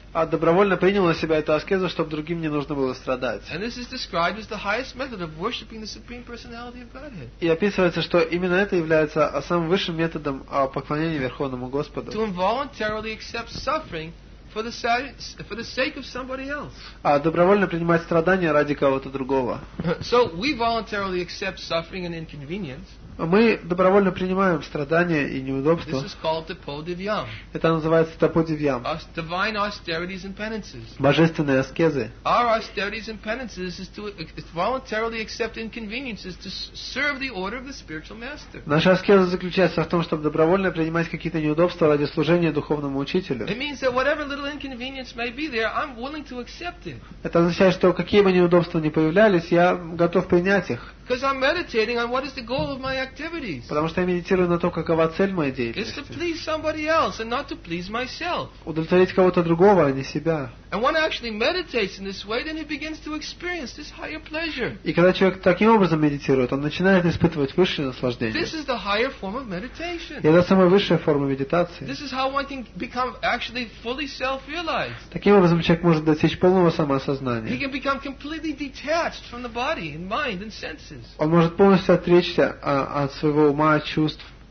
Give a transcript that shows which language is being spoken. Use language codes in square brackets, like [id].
[ru] Добровольно принял на себя эту аскезу, чтобы другим не нужно было страдать. И это описывается как высший метод [en] of worshiping the supreme personality of Godhead. [ru] И описывается, что именно это является самым высшим методом поклонения Верховному Господу. [en] To involuntarily accept suffering for the sake of somebody else. [ru] Добровольно принимать страдания ради кого-то другого. [en] So we voluntarily accept suffering and inconvenience. [ru] Мы добровольно принимаем страдания и неудобства. [en] This is called tapodivyam. [ru] Это называется tapodivyam. [en] Divine austerities and penances. [ru] Божественные аскезы. [en] Our austerities and penances is to voluntarily accept inconveniences to serve the order of the spiritual master. [ru] Наша аскеза заключается в том, чтобы добровольно принимать какие-то неудобства ради служения духовному учителю. [en] It means that whatever little inconvenience may be there, I'm willing to accept it. [ru] Это означает, что какие бы неудобства ни появлялись, я готов принять их. [en] Because I'm meditating on what is the goal of my activities. [ru] Потому что я медитирую на то, какова цель моей деятельности. [en] It's to please somebody else and not to please myself. [ru] Удовлетворить кого-то другого, а не себя. [en] And when one actually meditates in this way, then he begins to experience this higher pleasure. [ru] И когда человек таким образом медитирует, он начинает испытывать высшее наслаждение. [en] This is the higher form of meditation. [ru] И это самая высшая форма медитации. [en] This is how one can become actually fully self-realized. [ru] Таким образом человек может достичь полного самосознания. [en] He can become completely detached from the body and mind and senses. [ru] Он может полностью отречься от своего ума, чувств,